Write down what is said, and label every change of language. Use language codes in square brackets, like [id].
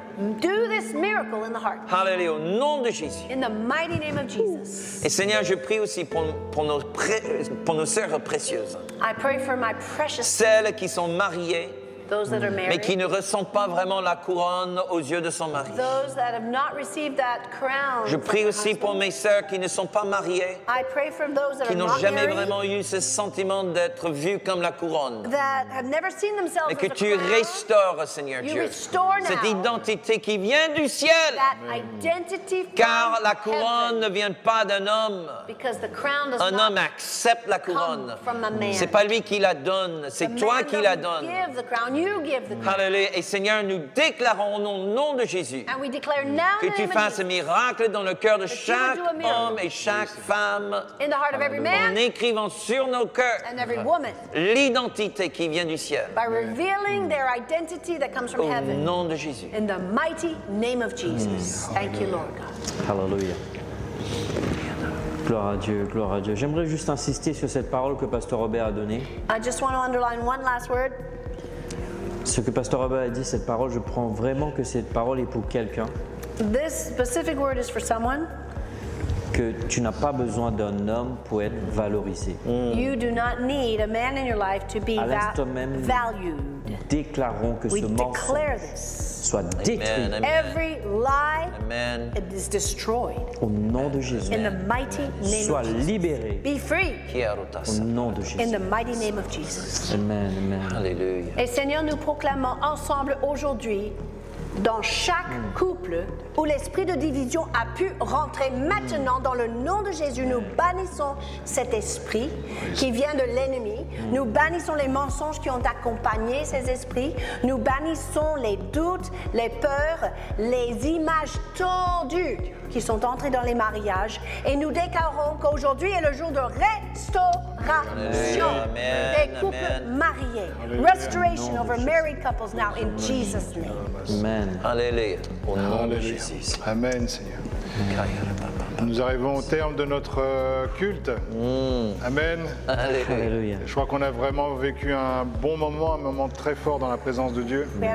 [en] Do this miracle in the heart. [fr] Hallelujah. Au nom de Jésus. [en] In the mighty name of Jesus. [fr] Et Seigneur, je prie aussi pour nos sœurs précieuses. [en] I pray for my precious [fr] celles qui sont mariées. [en] Those that are married. [fr] Mais qui ne ressentent pas vraiment la couronne aux yeux de son mari. [en] Those that have not received that crown. [fr] Je prie aussi pour mes sœurs qui ne sont pas mariées. [en] I pray for those that are not married. [fr] Qui n'ont jamais vraiment eu ce sentiment d'être vues comme la couronne. [en] That have never seen themselves as a crown. [fr] Mais que tu restaures, Seigneur Dieu. [en] You restore now. [fr] Cette identité qui vient du ciel. [en] That identity from heaven. [fr] Car la couronne ne vient pas d'un homme. [en] Because the crown does not. [fr] Un homme accepte la couronne. [en] Come from a man. [fr] C'est pas lui qui la donne. C'est toi qui la donne. [en] The man doesn't give the crown. You give the crown. Hallelujah. [fr] Et Seigneur, nous déclarons au nom de Jésus [en] and we declare now [fr] que tu fasses un miracle dans le cœur de chaque homme et chaque femme [en] in the heart of every man, [fr] en écrivant sur nos cœurs [en] and every woman, [fr] l'identité qui vient du ciel [en] by revealing their identity that comes from [fr] au [en] heaven, [fr] nom de Jésus [en] in the mighty name of Jesus. Thank you, Lord God. Hallelujah. [fr] Gloire à Dieu, gloire à Dieu. J'aimerais juste insister sur cette parole que Pasteur Robert a donnée. [en] I just want to underline one last word. [fr] Ce que Pasteur Robert a dit, cette parole, je prends vraiment que cette parole est pour quelqu'un. [en] This specific word is for someone. [fr] Que tu n'as pas besoin d'un homme pour être valorisé. [en] You do not need a man in your life to be valued. [fr] Déclarons que [en] we [fr] ce mensonge soit détruit. Amen, amen. [en] Every lie amen. Is destroyed. [fr] Au nom de Jésus. [en] In the mighty name [fr] sois libéré. [en] Be free. [fr] Au nom de Jésus. [en] In the mighty name of Jesus. Amen, amen. Alléluia. [fr] Et Seigneur, nous proclamons ensemble aujourd'hui dans chaque couple où l'esprit de division a pu rentrer maintenant dans le nom de Jésus. Nous bannissons cet esprit qui vient de l'ennemi. Nous bannissons les mensonges qui ont accompagné ces esprits. Nous bannissons les doutes, les peurs, les images tordues qui sont entrées dans les mariages. Et nous déclarons qu'aujourd'hui est le jour de restauration des couples mariés. [en] Restoration over married couples now in Jesus' name. [fr] Alléluia, au nom de Jésus. Amen, Seigneur. Nous arrivons au terme de notre culte. Amen. Alléluia. Je crois qu'on a vraiment vécu un bon moment, un moment très fort dans la présence de Dieu.